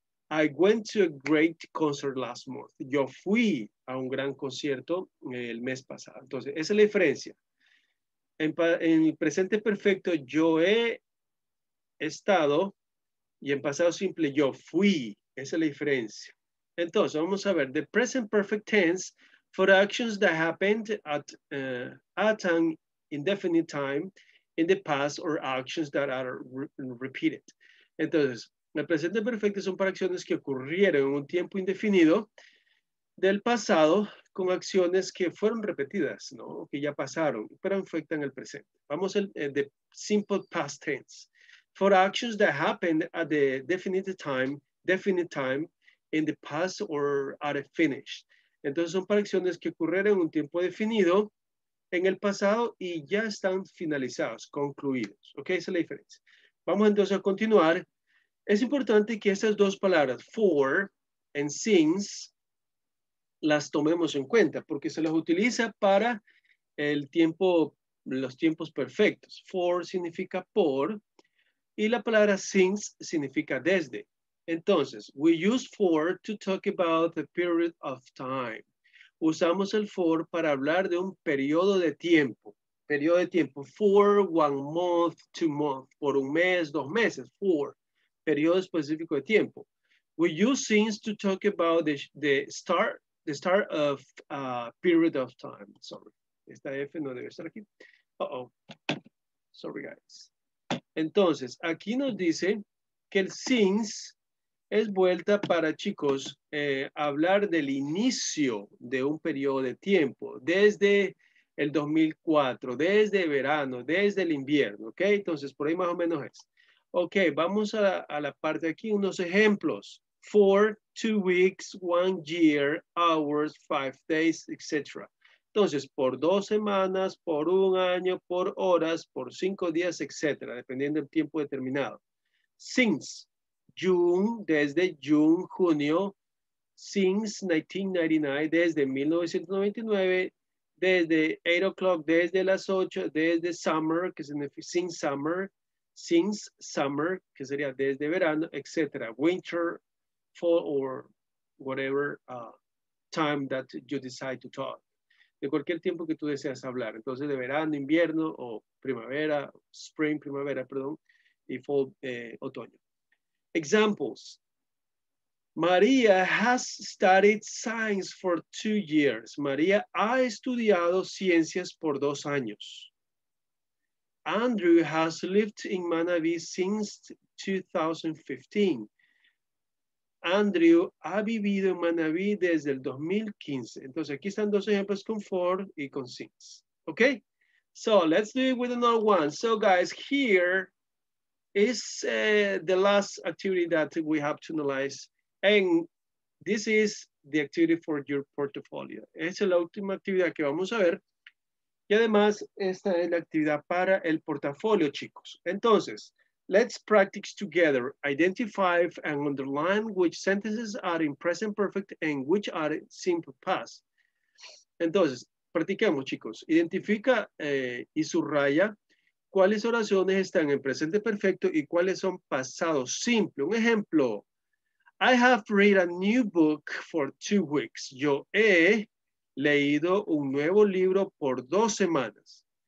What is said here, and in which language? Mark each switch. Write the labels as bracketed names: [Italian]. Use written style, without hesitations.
[English] I went to a great concert last month. [Spanish] Yo fui a un gran concierto el mes pasado. Entonces, esa es la diferencia. En el presente perfecto, yo he estado, y en pasado simple, yo fui. Esa es la diferencia. Entonces, vamos a ver. [English] The present perfect tense for actions that happened at an indefinite time in the past or actions that are repeated. [Spanish] Entonces, el presente perfecto son para acciones que ocurrieron en un tiempo indefinido del pasado con acciones que fueron repetidas, ¿no? Que ya pasaron, pero afectan el presente. Vamos al de simple past tense. [English] For actions that happened at the definite time in the past or are finished. [Spanish] Entonces son para acciones que ocurrieron en un tiempo definido en el pasado y ya están finalizados, concluidos. ¿Ok? Esa es la diferencia. Vamos entonces a continuar. Es importante que estas dos palabras, for and since, las tomemos en cuenta, porque se las utiliza para el tiempo, los tiempos perfectos. For significa por, y la palabra since significa desde. [English] Entonces, we use for to talk about the period of time. [Spanish] Usamos el for para hablar de un periodo de tiempo. Periodo de tiempo, [English] for one month, two months, [Spanish] por un mes, dos meses, for. Periodo específico de tiempo. [English] We use since to talk about the start of a period of time. Sorry. [Spanish] Esta F no debe estar aquí. Uh-oh. Sorry, guys. Entonces, aquí nos dice que el since es vuelta para, chicos, hablar del inicio de un periodo de tiempo. Desde el 2004, desde verano, desde el invierno. ¿Ok? Entonces, por ahí más o menos es. Ok, vamos a la parte de aquí, unos ejemplos. [English] For, 2 weeks, 1 year, hours, 5 days, etc. [Spanish] Entonces, por 2 semanas, por 1 año, por horas, por 5 días, etc. Dependiendo del tiempo determinado. Since, June, desde June, junio. Since 1999, desde 1999. desde 8 o'clock, desde las 8, desde summer, que significa since summer, que sería desde verano, etc. [English] Winter, fall, or whatever time that you decide to talk. [Spanish] De cualquier tiempo que tú deseas hablar. Entonces, de verano, invierno, o primavera, spring, primavera, perdón, y fall, otoño. Examples. [English] María has studied science for 2 years. [Spanish] María ha estudiado ciencias por 2 años. [English] Andrew has lived in Manabí since 2015. [Spanish] Andrew ha vivido en Manabí desde el 2015. Entonces, aquí están dos ejemplos con for y con since. [English] Okay? So, let's do it with another one. So, guys, here is the last activity that we have to analyze. And this is the activity for your portfolio. [Spanish] Es la última actividad que vamos a ver. Y además, esta es la actividad para el portafolio, chicos. Entonces, [English] let's practice together. Identify and underline which sentences are in present perfect and which are in simple past. [Spanish] Entonces, practiquemos, chicos. Identifica y subraya cuáles oraciones están en presente perfecto y cuáles son pasado simple. [English] Un ejemplo. I have read a new book for 2 weeks. [Spanish] Yo he leído un nuevo libro por 2 semanas.